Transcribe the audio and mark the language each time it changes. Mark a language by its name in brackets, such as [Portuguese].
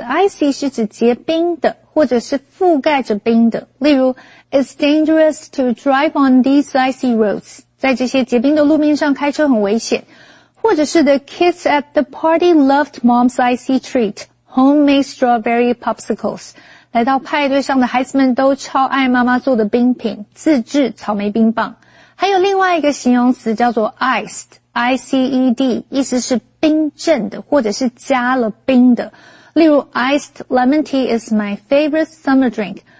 [Chinese] icy 是指结冰的或者是覆盖着冰的。例如 [English] ,it's dangerous to drive on these icy roads. [Chinese] 在这些结冰的路面上开车很危险。或者是 [English] the kids at the party loved mom's icy treat. Homemade strawberry popsicles. [Chinese] 来到派对上的孩子们都超爱妈妈做的冰品，自制草莓冰棒。还有另外一个形容词叫做 iced, I-C-E-D, 意思是冰镇的或者是加了冰的。例如 [English] iced lemon tea is my favorite summer drink.